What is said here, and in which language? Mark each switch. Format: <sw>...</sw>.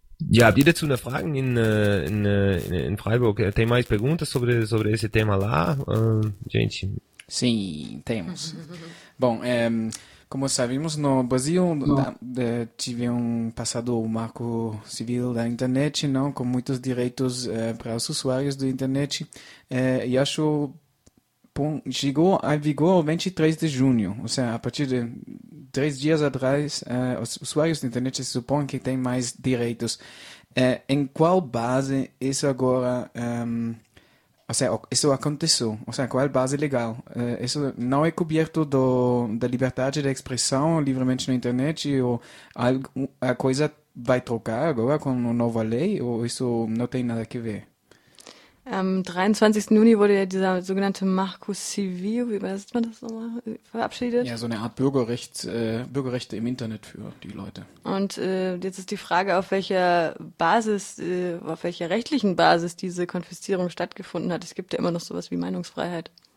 <de>Ja, die dazu eine Frage in Freiburg.</de> <pt>Tem mais perguntas sobre esse tema lá, gente? Sim, temos. Bom, como sabemos, no Brasil tive um passado o marco civil da internet, não, com muitos direitos para os usuários da internet. E acho que chegou a vigor 23 de junho, ou seja, a partir de 3 dias atrás, os usuários da internet se supõem que têm mais direitos. Em qual base isso agora, ou seja, isso aconteceu? Ou seja, qual base legal? Isso não é coberto da liberdade de expressão livremente na internet? Ou a coisa vai trocar agora com uma nova lei? Ou isso não tem nada a ver?</pt> <de>Am 23. Juni wurde ja dieser sogenannte Marco Civil, wie heißt man das nochmal, verabschiedet. Ja, so eine Art Bürgerrechte im Internet für die Leute. Und jetzt ist die Frage, auf welcher Basis, auf welcher rechtlichen Basis diese Konfiszierung stattgefunden hat. Es gibt ja immer noch sowas wie Meinungsfreiheit.</de>